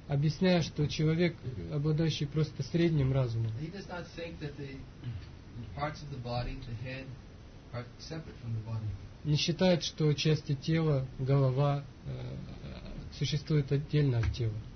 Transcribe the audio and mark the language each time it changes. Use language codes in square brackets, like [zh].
[ru] объясняя, что человек, обладающий просто средним разумом, [en] he does not think that the parts of the body, the head, are separate from the body. [ru] Не считает, что части тела, голова, существуют отдельно от тела.